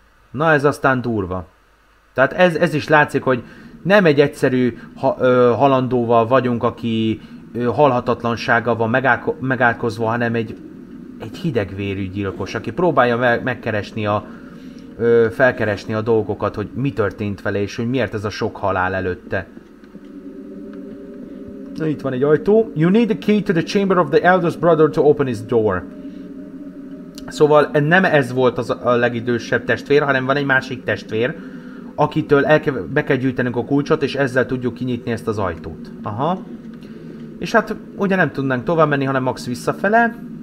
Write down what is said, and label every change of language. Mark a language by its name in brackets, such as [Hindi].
[Hungarian] Na ez aztán durva. Tehát ez is látszik, hogy nem egy egyszerű halandóval vagyunk, aki halhatatlansága van megátkozva, hanem egy hidegvérű gyilkos, aki próbálja megkeresni felkeresni a dolgokat, hogy mi történt vele, és hogy miért ez a sok halál előtte. Na itt van egy ajtó. [English] You need the key to the chamber of the eldest brother to open his door. [Hungarian] Szóval nem ez volt az a legidősebb testvér, hanem van egy másik testvér, akitől be kell gyűjtenünk a kulcsot, és ezzel tudjuk kinyitni ezt az ajtót. Aha. És hát ugye nem tudnánk tovább menni, hanem max visszafele.